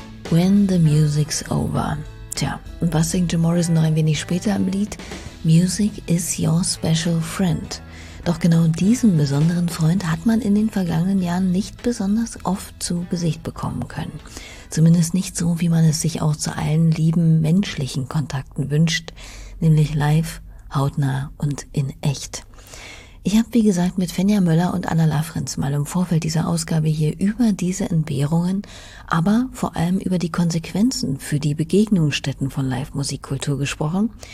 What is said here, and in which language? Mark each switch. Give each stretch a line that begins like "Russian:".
English: When the music's over.
German: Tja, und was singt Jim Morrison noch ein wenig später im Lied?
English: Music is your special friend.
German: Doch genau diesen besonderen Freund hat man in den vergangenen Jahren nicht besonders oft zu Gesicht bekommen können. Zumindest nicht so, wie man es sich auch zu allen lieben menschlichen Kontakten wünscht, nämlich live, hautnah und in echt. Ich habe, wie gesagt, mit Fenja Möller und Anna Lafrenz mal im Vorfeld dieser Ausgabe hier über diese Entbehrungen, aber vor allem über die Konsequenzen für die Begegnungsstätten von Live-Musikkultur gesprochen.